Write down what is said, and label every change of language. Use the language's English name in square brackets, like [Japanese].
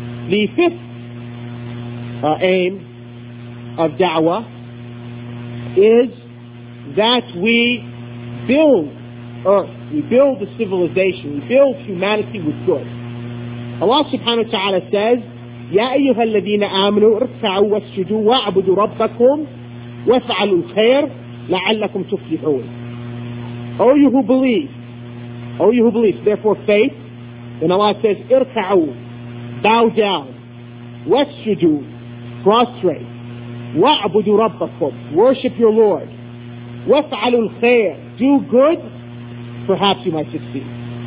[English] The fifth aim of da'wah is that we build earth, we build the civilization, we build humanity with good. Allah subhanahu wa ta'ala says, [Arabic] يَا أَيُّهَا الَّذِينَ آمِنُوا ارْكَعُوا وَاسْجُدُوا وَاعْبُدُوا رَبَّكُمْ وَفَعَلُوا الْخَيْرَ لَعَلَّكُمْ تُفْلِحُونَ. [English] O you who believe, O you who believe, therefore faith, then Allah says, ارْكَعُوا, bow down, وَاسْجُدُوا, prostrate, [Arabic] وَاعْبُدُوا رَبَّكُمْ, [English] worship your Lord, [Arabic] وَفَعَلُوا الْخَيْرَ, [English] do good, perhaps you might succeed.